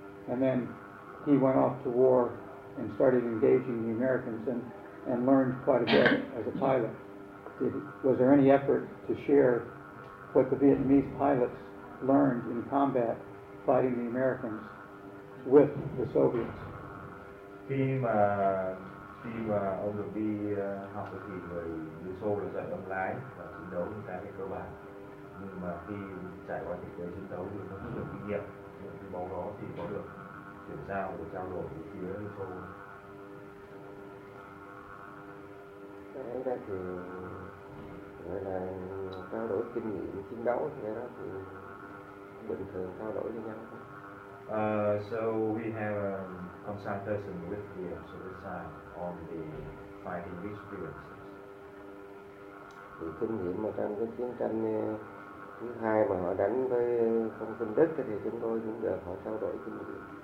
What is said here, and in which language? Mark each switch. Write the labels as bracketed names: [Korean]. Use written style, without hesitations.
[English] And then he went off to war and started engaging the Americans and learned quite a bit as a pilot. Was there any effort to share what the Vietnamese pilots learned in combat fighting the Americans with the Soviets? [Vietnamese] Khi mà ông được đi học thì người Liên Xô là dạy ông lái và chiến đấu những cái cơ bản. Nhưng mà khi trải qua thực tế chiến đấu thì nó rất nhiều kinh nghiệm. Những cái bóng đó thì có được chuyển giao và trao đổi với phía Liên Xô. Cái đó thì gọi là trao đổi kinh nghiệm chiến đấu, cái đó thì bình thường trao đổi với nhau. [English] So we have a consultation with the Soviet side on the fighting experiences. [Vietnamese] Thì kinh nghiệm mà trong cái chiến tranh thứ hai mà họ đánh với không quân Đức thì chúng tôi cũng được họ trao đổi kinh nghiệm.